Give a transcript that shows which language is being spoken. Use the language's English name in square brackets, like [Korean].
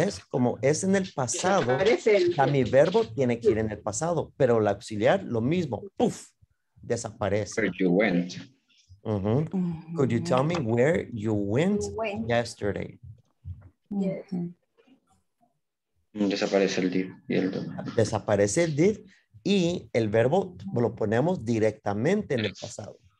[Spanish] Como es en el pasado, a mi verbo tiene que ir en el pasado, pero el auxiliar lo mismo, puff, desaparece. [English] Where you went. Mm-hmm. Could you tell me where you went yesterday? Yes. [Spanish] Desaparece el did y el don. Desaparece el did y el verbo lo ponemos directamente en el pasado.